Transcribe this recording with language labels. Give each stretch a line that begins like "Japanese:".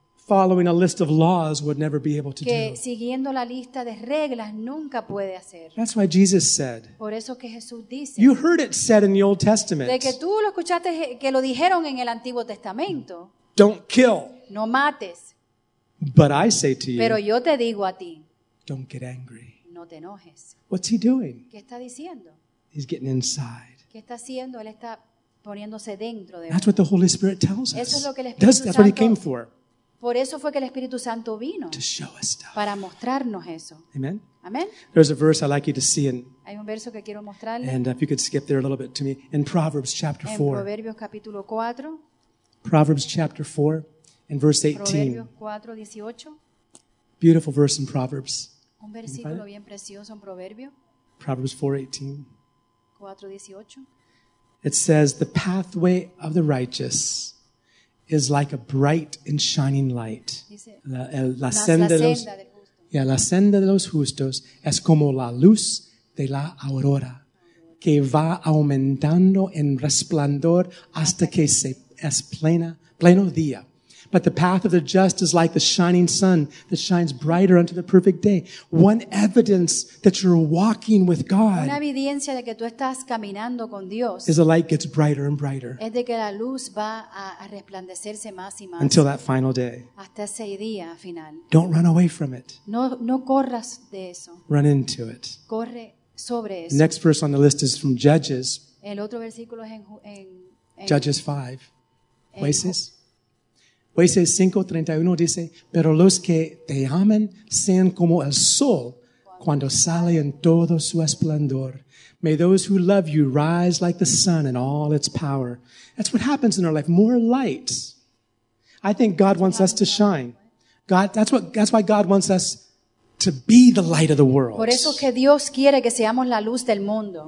English: following a list of laws would never be able to
Spanish: que
English: do.
Spanish: Siguiendo la lista de reglas nunca puede hacer.
English: That's why Jesus said.
Spanish: Por eso que Jesús dice,
English: you heard it said in the Old Testament.
Spanish: De que tú lo escuchaste, que lo dijeron en el Antiguo Testamento.
English: Don't kill.
Spanish: No mates.
English: But I say to you.
Spanish: Pero yo te digo a ti.
English: Don't get angry.
Spanish: No te enojes.
English: What's he doing?
Spanish: ¿Qué está diciendo?
English: He's getting inside.
Spanish: ¿Qué está haciendo? Él está poniéndose dentro de.
English: That's what the Holy Spirit tells us.
Spanish: Eso es lo que el Espíritu Santo.
English: That's what he came for.
Spanish: Por eso fue que el Espíritu Santo vino.
English: To show us stuff.
Spanish: Para mostrarnos eso.
English: Amen.
Spanish: Amen.
English: There's a verse I'd like you to see in.
Spanish: Hay un verso que quiero mostrarle.
English: And if you could skip there a little bit to me in Proverbs chapter 4.
Spanish: En Proverbios capítulo 4.
English: Proverbs chapter 4 and verse 18.
Spanish: Proverbios 4:18.
English: Beautiful verse in Proverbs.
Spanish: Un versículo bien precioso en Proverbio.
English: Proverbs 4:18.
Spanish: 4:18.
English: It says, "The pathway of the righteous is like a bright and shining light."
Spanish: La senda de los justos es como la luz de la aurora, que va aumentando en resplandor hasta que se es pleno día.
English: But the path of the just is like the shining sun that shines brighter unto the perfect day. One evidence that you're walking with God.
Spanish: Una evidencia de que tú estás caminando con Dios.
English: Is the light gets brighter and brighter.
Spanish: Es de que la luz va a resplandecerse más y más.
English: Until that final day.
Spanish: Hasta ese día final.
English: Don't run away from it.
Spanish: No corras de eso.
English: Run into it.
Spanish: Corre sobre eso.
English: The next verse on the list is from Judges.
Spanish: El otro versículo es en
English: Judges 5. Jueces.
Spanish: Jueces 5:31 dice, pero los que te amen sean como el sol cuando sale en todo su esplendor.
English: May those who love you rise like the sun in all its power. That's what happens in our life. More light. I think God wants us to shine. That's why God wants us to be the light of the world.
Spanish: Por eso que Dios quiere que seamos la luz del mundo.